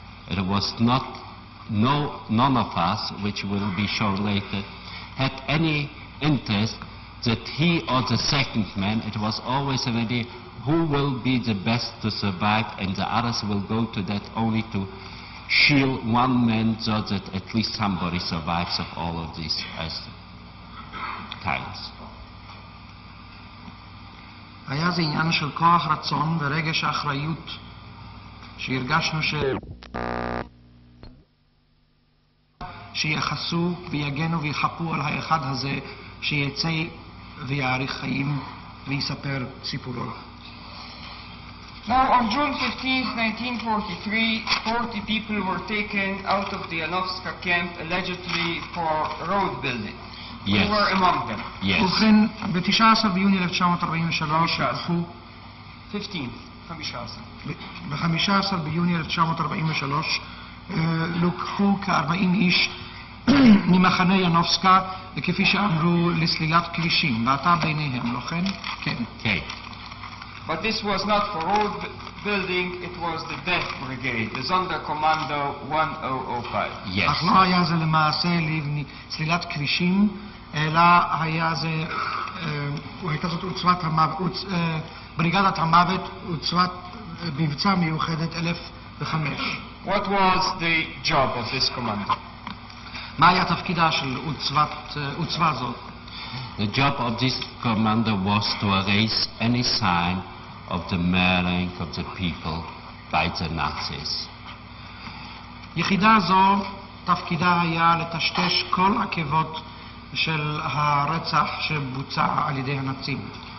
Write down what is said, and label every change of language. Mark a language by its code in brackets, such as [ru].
[en] It was not, no, none of us, which will be shown later, had any interest that he or the second man, it was always an idea who will be the best to survive and the others will go to that only to shield one man so that at least somebody survives of all of these as times. [he] היה זה עניין של כוח רצון ורגש אחריות שהרגשנו שיחסו ויגנו ויחפו על האחד הזה שיצא ויעריך חיים ויספר סיפורו. [en] Now, on June 15, 1943, 40 people were taken out of the Yanovska camp, allegedly for road building. Yes. Who were among them? Yes. [he] ובכן, ב-19 ביוני 1943, הלכו... [en] 15. [he] ב-15 ביוני 1943, לוקחו כ-40 איש ממחנה יאנובסקה, וכפי שאמרו, לסלילת כבישים, ואתה ביניהם, לא כן? כן. כן. [en] But this was not for road building, it was the death brigade, the Sonderkommando 1005. Yes. [he] אך לא היה זה למעשה סלילת כבישים, אלא היה זה, הייתה זאת עוצבת המוות, בריגדת המוות, עוצבת מבצע מיוחדת 1005. [en] What was the job of this commando? [he] מה היה תפקידה של עוצבה זאת? [en] The job of this commander was to erase any sign of the murdering of the people by the Nazis. [he] יחידה זו תפקידה היה לטשטש כל עקבות של הרצח שבוצע על ידי הנאצים.